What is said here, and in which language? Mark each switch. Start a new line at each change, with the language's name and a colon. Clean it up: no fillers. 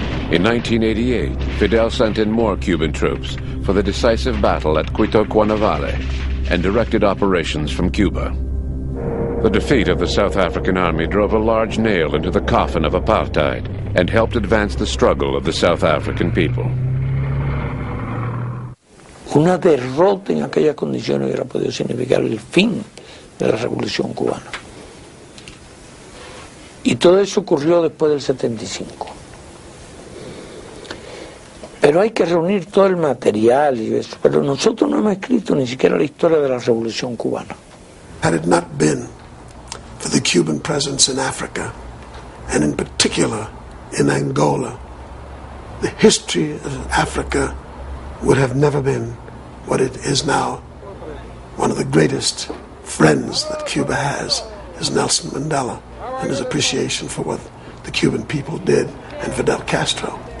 English: In 1988, Fidel sent in more Cuban troops for the decisive battle at Cuito Cuanavale and directed operations from Cuba. The defeat of the South African army drove a large nail into the coffin of apartheid and helped advance the struggle of the South African people.
Spanish: Una derrota en aquellas condiciones hubiera podido significar el fin de la Revolución Cubana. Y todo eso ocurrió después del 75. Pero hay que reunir todo el material y eso. Pero nosotros no hemos escrito ni siquiera la historia de la Revolución Cubana.
English: Had it not been for the Cuban presence in Africa, and in particular in Angola, the history of Africa would have never been what it is now. One of the greatest friends that Cuba has is Nelson Mandela, and his appreciation for what the Cuban people did, and Fidel Castro.